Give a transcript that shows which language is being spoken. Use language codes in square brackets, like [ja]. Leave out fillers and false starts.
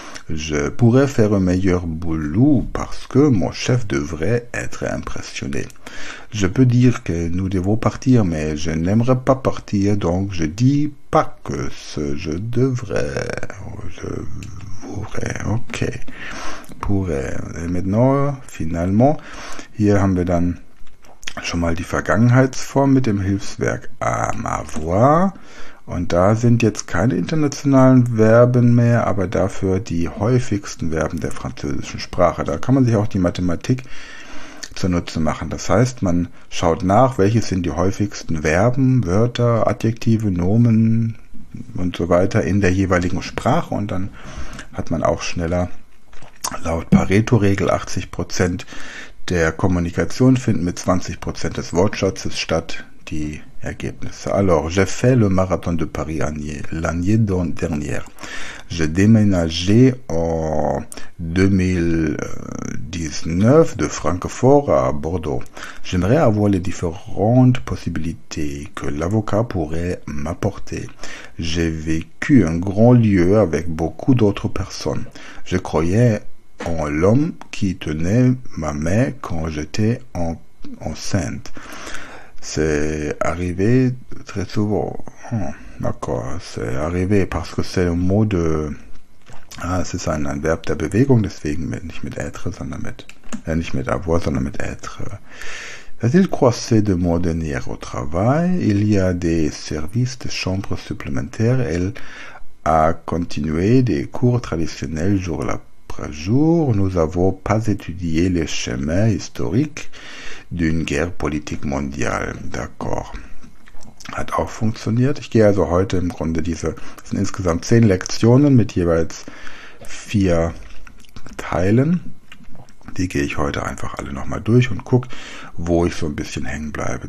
[fr] Je pourrais faire un meilleur boulot parce que mon chef devrait être impressionné. Je peux dire que nous devons partir, mais je n'aimerais pas partir, donc je dis pas que ce je devrais. Je voudrais, ok. Pourrais. Et maintenant, finalement, [de] hier haben wir dann schon mal die Vergangenheitsform mit dem Hilfsverb avoir. Und da sind jetzt keine internationalen Verben mehr, aber dafür die häufigsten Verben der französischen Sprache. Da kann man sich auch die Mathematik zunutze machen. Das heißt, man schaut nach, welche sind die häufigsten Verben, Wörter, Adjektive, Nomen und so weiter in der jeweiligen Sprache. Und dann hat man auch schneller laut Pareto-Regel 80% der Kommunikation finden mit 20% des Wortschatzes statt. Die Ergebnisse. [fr] Alors, j'ai fait le marathon de Paris l'année dernière. J'ai déménagé en 2019 de Francfort à Bordeaux. J'aimerais avoir les différentes possibilités que l'avocat pourrait m'apporter. J'ai vécu un grand lieu avec beaucoup d'autres personnes. Je croyais en l'homme qui tenait ma main quand j'étais enceinte. C'est arrivé très souvent. D'accord, c'est arrivé parce que c'est un mot de... Ah, c'est un verbe de [de] Bewegung, deswegen nicht mit être, sondern mit... nicht mit avoir, sondern mit être. [fr] A-t-il croisé de moi dernier au travail? Il y a des services de chambre supplémentaires. Elle a continué des cours traditionnels jour après jour. Nous n'avons pas étudié les chemins historiques d'une guerre politique mondiale. [de] D'accord. Hat auch funktioniert. Ich gehe also heute im Grunde diese, es sind insgesamt 10 Lektionen mit jeweils 4 Teilen. Die gehe ich heute einfach alle nochmal durch und gucke, wo ich so ein bisschen hängen bleibe.